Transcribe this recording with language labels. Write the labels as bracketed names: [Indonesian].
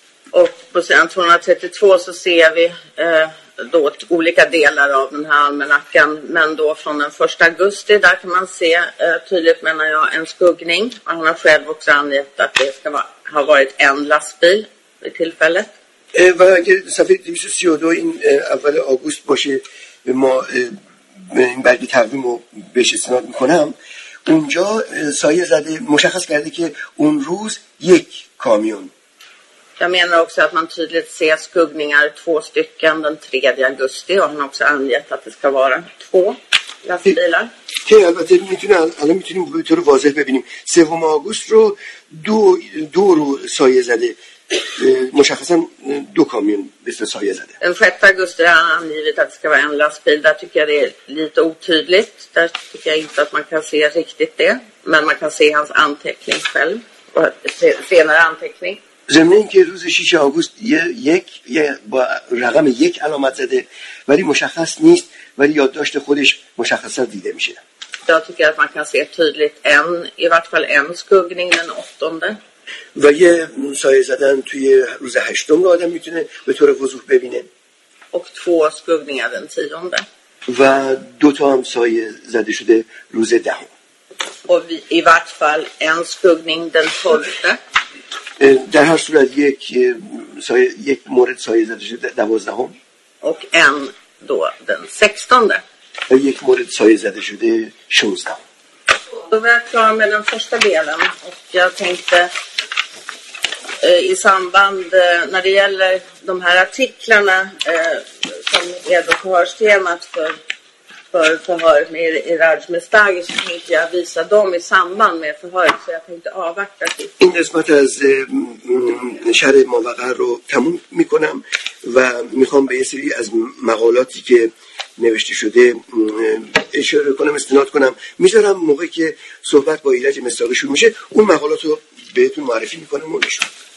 [Swedish] Och på sidan 232 så ser vi då olika delar av den här almanackan, men då från den 1 augusti där kan man se tydligt, menar jag, en skuggning. Och han har själv också angett att det ska ha varit en lastbil i tillfället. [Persian] و اگر صفحه 232 این اول آگوست باشه ما این برگی تقویم رو بهش استناد میکنم، اونجا سایه زده مشخص کرده که اون روز یک کامیون. [Swedish] Jag menar också att man tydligt ser skuggningar, två stycken den 3 augusti och han har också angett att det ska vara två lastbilar. [Persian] که البته میتونیم به طور واضح ببینیم 3 آگوست رو دو رو سایه زده، مشخصا دو کامیون به سایه زده. 6 آگوست را [Swedish] angivit att det ska vara en lastbil. Där tycker jag det är lite otydligt. Där tycker jag inte att man kan se riktigt det. Men man kan se hans anteckning själv och senare anteckning. [Persian] زمین اینکه روز 6 آگوست یک با رقم یک علامت زده ولی مشخص نیست، ولی یادداشت خودش مشخصا دیده میشه. [Swedish] Jag tycker att man kan se tydligt en, i vart fall en skuggning den 8. [Persian] و یه سایه زدن توی روز 8 رو آدم میتونه به طور وضوح ببینه. [Swedish] Och två skuggningar den 10. [Persian] و دو تا هم سایه زده شده روز 10. [Swedish] Och i vart fall en skuggning den 12. [Persian] در هر صورت یک مورد سایه زده شده 12. [Swedish] Och en då den 16. [Persian] و یک مورد سایه زده شده 16. [Swedish] Då var jag klar med den första delen och jag tänkte i samband när det gäller de här artiklarna som är då förhörstemat för förhöret med Iraj Mestagi, så tänkte jag visa dem i samband med förhöret, så jag tänkte avvakta till. [Persian] In desmat az shar mawaqar ro tamom mikonam va mikham be ye seri az maqalati ke نوشته شده اشاره کنم، استناد کنم، میذارم موقعی که صحبت با ایرج مستاقی شروع میشه اون مقالات رو بهتون معرفی میکنم و نشون.